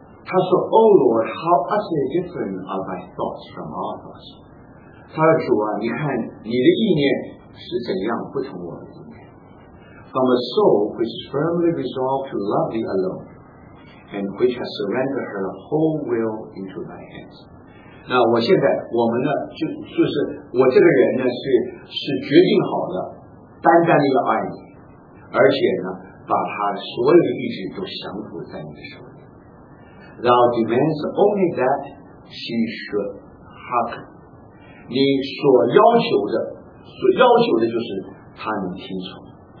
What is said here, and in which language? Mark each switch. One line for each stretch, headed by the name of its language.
Chinese: 他说
English: ：“Oh Lord, how utterly different are thy thoughts from our thoughts？”
Chinese: 他说：“主啊，你看你的意念是怎样不同我的意念。
English: ”From a soul which is firmly resolved to love thee alone, and which has surrendered her whole will into thy hands。
Chinese: 那我现在我们呢就是我这个人呢是决定好的单单的要爱你，而且呢把他所有的意志都降服在你的手里。
English: Thou demands only that she should hearken，
Chinese: 你所要求的，所要求的就是他能听从。